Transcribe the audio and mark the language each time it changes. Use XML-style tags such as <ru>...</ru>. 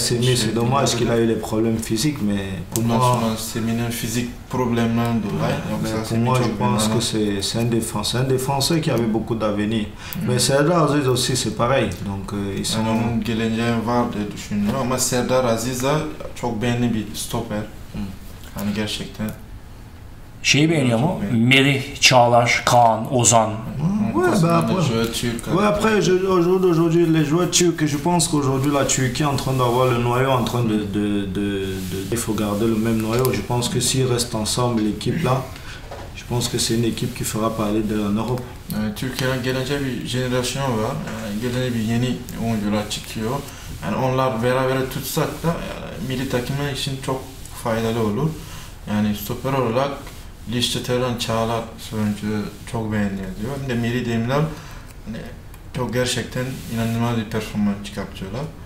<fr>Semih, c'est dommage qu'il a eu les problèmes physiques, mais pour moi...</fr> <tr>Semih'in fizik problemlerinden dolayı.</tr> <fr>Pour moi, je pense que c'est un défenseur qui avait beaucoup d'avenir. Mais Serdar Aziz aussi, c'est pareil. Donc, ils sont...</fr> <tr>Yani onun geleceği var diye düşünüyorum ama Serdar Aziz de çok beğeni bir stoper. Hani gerçekten... Şeyi beğeniyor mu? Merih, Çağlar, Kaan, Ozan.</tr> <fr>Ouais, bah après, ouais, après aujourd'hui les joueurs turcs, je pense qu'aujourd'hui la Turquie est en train d'avoir le noyau, en train de il faut garder le même noyau. Je pense que s'ils restent ensemble l'équipe là, je pense que c'est une équipe qui fera parler de l'Europe.</fr> <tr>Türkiye'nin gelecek bir jenerasyon var, gelecek bir yeni oyuncular çıkıyor. Yani onlar beraber tutsak da milli takımı için çok faydalı olur. Yani stoper olarak Lişçe Teran Çağlar oyuncu çok beğeniyor diyor. Hem de Miri Demirel hani çok gerçekten inanılmaz bir performans çıkartıyorlar.</tr>